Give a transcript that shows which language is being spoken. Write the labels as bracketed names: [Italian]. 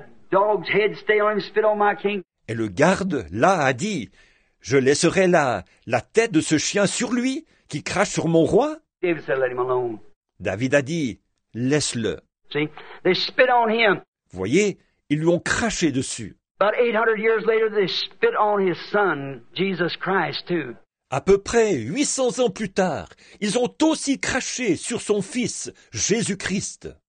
[English] Dog's head stay on him, spit on my king. [French] Et le garde, là, a dit, « Je laisserai la tête de ce chien sur lui, qui crache sur mon roi. » [English] David said, « Let him alone. » [French] David a dit, « Laisse-le. » [English] See, they spit on him. [French] Voyez, ils lui ont craché dessus. [English] About 800 years later, they spit on his son, Jesus Christ, too. [French] À peu près 800 ans plus tard, ils ont aussi craché sur son fils, Jésus-Christ.